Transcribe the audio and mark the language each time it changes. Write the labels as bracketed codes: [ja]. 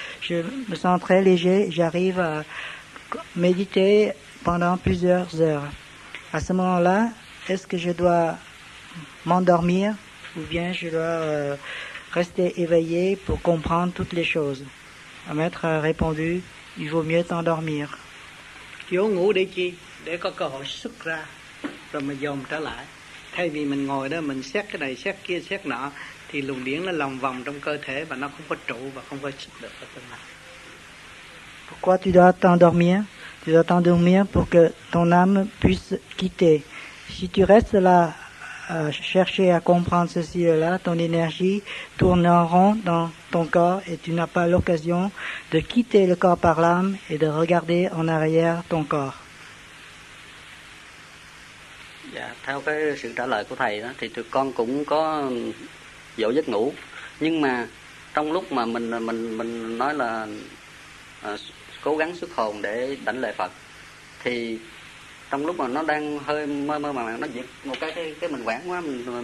[fr] Je me sens très léger, j'arrive à méditer pendant plusieurs heures. À ce moment-là, est-ce que je dois m'endormir ou bien je dois rester éveillé pour comprendre toutes les choses? Le maître a répondu, il vaut mieux t'endormir. [vi] Chỗ ngủ để chi? Để có cơ hội xuất ra, rồi mà dồn trở lại. Thay vì mình ngồi đó, mình xét cái này, xét kia, xét nọ, thì luồng điển nó lòng vòng trong cơ thể và nó không có trụ và không có xuất được ở tương lai. [fr] Pourquoi tu dois t'endormir? Tu dois t'endormir pour que ton âme puisse quitter. Si tu restes là à chercher à comprendre ceci et là, ton énergie tourne en rond dans ton corps et tu n'as pas l'occasion de quitter le corps par l'âme et de regarder en arrière ton corps. [vi] Dạ, theo cái sự trả lời của thầy đó, thì tụi con cũng có dỗ giấc ngủ, nhưng mà trong lúc mà mình nói là cố gắng xuất hồn để đảnh lễ Phật, thì trong lúc mà nó đang hơi mơ mơ màng, nó giật một cái mình quản quá, mình